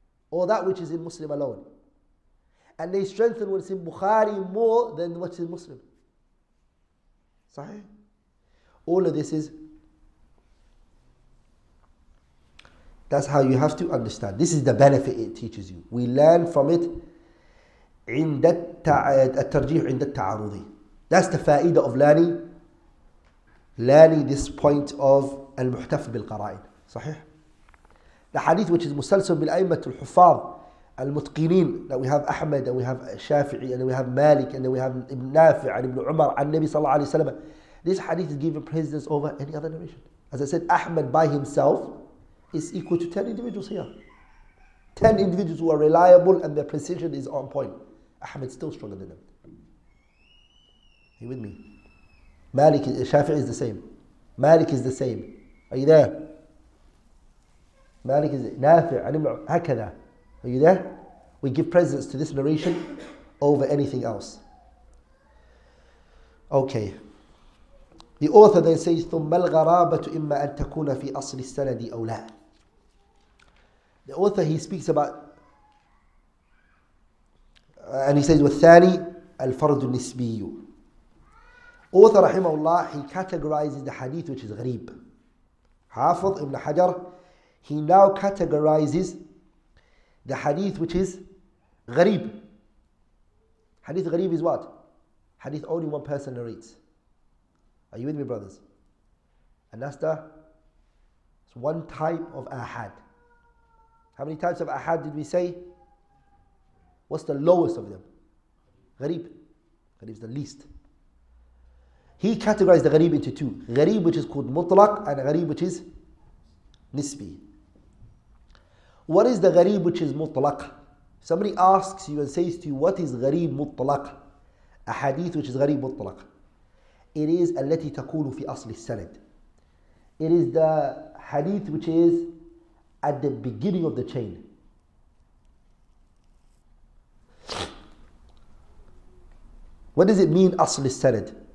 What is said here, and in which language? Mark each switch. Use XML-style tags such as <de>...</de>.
<en>Or that which is in Muslim alone. And they strengthen what's in Bukhari more than what's in Muslim. Sahih? All of this is... That's how you have to understand. This is the benefit it teaches you. We learn from it.</en> <ar>عند الترجيح عند التعارض.</ar> <en>That's the faida of learning. Learning this point of المحتف بالقرائن. Sahih? The hadith which is مسلسل بالأئمة الحفاظ المتقنين, that we have Ahmed and we have Shafi'i and we have Malik and we have Ibn Nafi' and Ibn Umar and Nabi صلى الله عليه وسلم. This hadith is given precedence over any other narration. As I said, Ahmed by himself is equal to 10 individuals here. 10 individuals who are reliable and their precision is on point. Ahmed is still stronger than them. Are you with me? Malik, Shafi'i is the same. Malik is the same. Are you there? Malik is Nafi' and Ibn Umar. هكذا. Are you there? We give precedence to this narration over anything else. Okay. The author then says,</en> <ar>ثُمَّ الْغَرَابَةُ إِمَّا أَن تَكُونَ فِي أَصْلِ السَّنَدِ أَوْ لَا.</ar> <en>The author, he speaks about, and he says,</en> <ar>وَالثَّانِي الْفَرْضُ النِّسْبِيُّ.</ar> <en>Author, رحمه الله, he categorizes the hadith which is غريب. حافظ ابن حجر, he now categorizes the hadith which is غريب. Hadith غريب is what? Hadith only one person narrates. Are you with me, brothers? And that's the one type of ahad. How many types of ahad did we say? What's the lowest of them? Gharib. Gharib is the least. He categorized the gharib into two. Gharib which is called mutlaq and gharib which is nisbi. What is the gharib which is mutlaq? Somebody asks you and says to you, what is gharib mutlaq? A hadith which is gharib mutlaq. It is</en> <ar>التي تكون في أصل السند.</ar> <en>It is the hadith which is at the beginning of the chain. What does it mean أصل السند?</en>